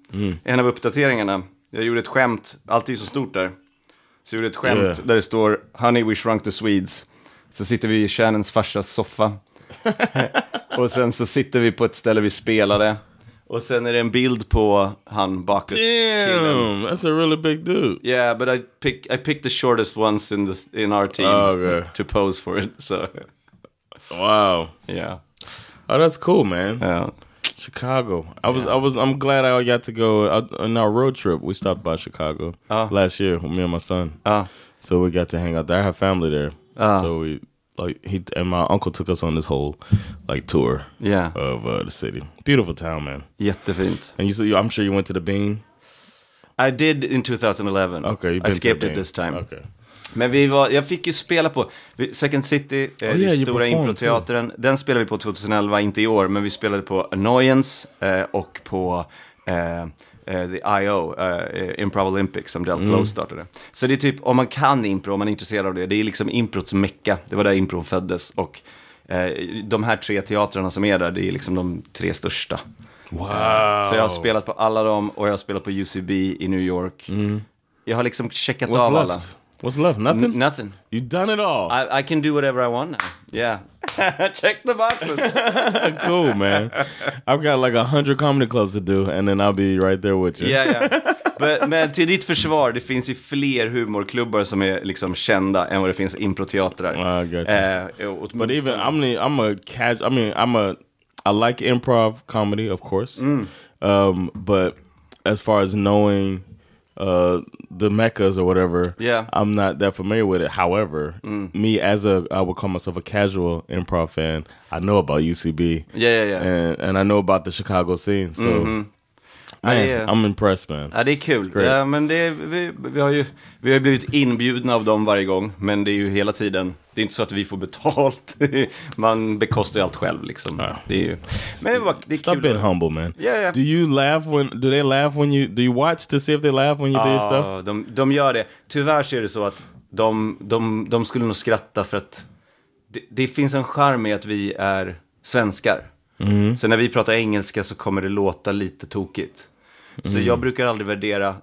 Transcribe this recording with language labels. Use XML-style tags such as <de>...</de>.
<sv>Mm. En av uppdateringarna. Jag gjorde ett skämt. Allt är så stort där. Så jag gjorde ett skämt där det står,</sv> <en>honey, we shrunk the Swedes.</en> <sv>Så sitter vi i Shannons farsas soffa. Och sen så sitter vi på ett ställe vi spelade. Och sen är det en bild på han Bacchus.</sv> <en>Damn,</en> <sv>killen.</sv> <en>That's a really big dude. Yeah, but I picked the shortest ones in our team to pose for it. So, wow. Yeah. Oh, that's cool, man. Yeah. Chicago. I'm glad I got to go on our road trip. We stopped by Chicago last year with me and my son. So we got to hang out there. I have family there. So we and my uncle took us on this whole tour of the city. Beautiful town, man.</en> <sv>Jättefint.</sv> <en>And I'm sure you went to the Bean. I did in 2011. Okay, I skipped it this time. Okay.</en> <sv>Men jag fick ju spela på Second City, stora improteatern. Den spelade vi på 2011, inte i år, men vi spelade på Annoyance och på The I.O., Improv Olympics, som Del Close startade. Så det är typ, om man kan impro, om man är intresserad av det är liksom improts mecka. Det var där impro föddes. Och de här tre teatrarna som är där, det är liksom de tre största.</sv> <en>Wow.</en> <sv>Så jag har spelat på alla dem, och jag har spelat på UCB i New York. Mm. Jag har liksom checkat</sv> <en>What's</en> <sv>av</sv> <en>left?</en> <sv>Alla.</sv> <en>What's left? Nothing? Nothing. You've done it all. I can do whatever I want now. Yeah. Check the boxes. Cool, man. I've got like 100 comedy clubs to do, and then I'll be right there with you. Yeah, yeah.</en> <sv>Men till ditt försvar, det finns ju fler humorklubbar som är liksom kända än vad det finns improteatrar.</sv> <en>I got you. But even, I like improv comedy, of course. Mm. But as far as knowing... the meccas or whatever. Yeah, I'm not that familiar with it. However, me as I would call myself a casual improv fan. I know about UCB. Yeah. And I know about the Chicago scene. So, I'm impressed, man.</en> <sv>Ja, det är kul. Ja, men det vi har blivit inbjudna av dem varje gång. Men det är ju hela tiden. Det är inte så att vi får betalt. Man bekostar ju allt själv, liksom. Ja. Det är ju. Men det är</sv> <en>stop</en> <sv>kul.</sv> <en>Stop being humble, man. Yeah. Do you watch to see if they laugh when you do stuff?</en> <sv>Ja, de gör det. Tyvärr så är det så att de skulle nog skratta för att det finns en charm i att vi är svenskar. Mm. Så när vi pratar engelska så kommer det låta lite tokigt. Så jag brukar aldrig värdera.</sv>